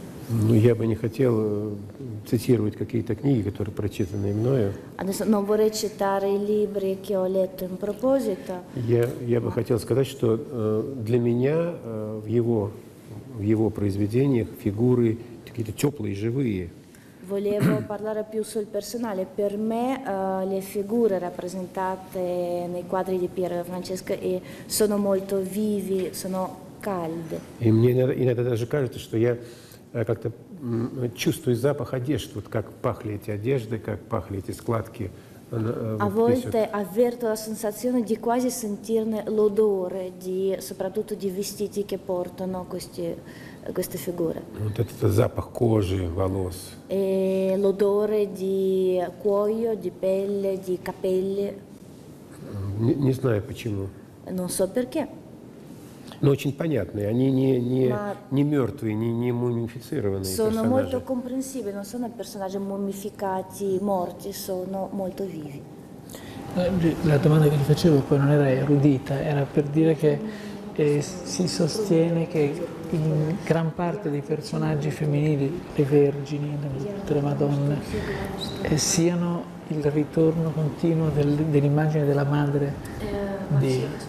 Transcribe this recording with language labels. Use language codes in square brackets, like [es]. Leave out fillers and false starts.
[ru] Ну, я бы не хотел цитировать какие-то книги, которые прочитаны мною. [it] Adesso non vorrei citare i libri che ho letto in proposito. [ru] Я бы хотел сказать, что для меня в его произведениях фигуры какие-то теплые, живые. [it] Volevo parlare più sul personale. Per me le figure rappresentate nei quadri di Piero e Francesca sono molto vivi, sono calde. [ru] И мне иногда даже кажется, что я как-то чувствую запах одежды, вот как пахли эти одежды, как пахли эти складки. [it] A volte avverto la sensazione di quasi sentirne l'odore, di soprattutto di vestiti che portano queste figure. [ru] Вот этот запах кожи, волос. [it] E l'odore di cuoio, di pelle, di capelli. [ru] Не знаю почему. [it] Non so perché. [ru] Но очень понятные, они не мертвые, не мумифицированные персонажи. [it] Sono molto comprensibili, non sono personaggi mummificati, morti, sono molto vivi. La domanda che gli facevo poi non era erudita, era per dire che si sostiene che in gran parte dei personaggi femminili, le vergini, le madonne, siano il ritorno continuo dell'immagine della madre di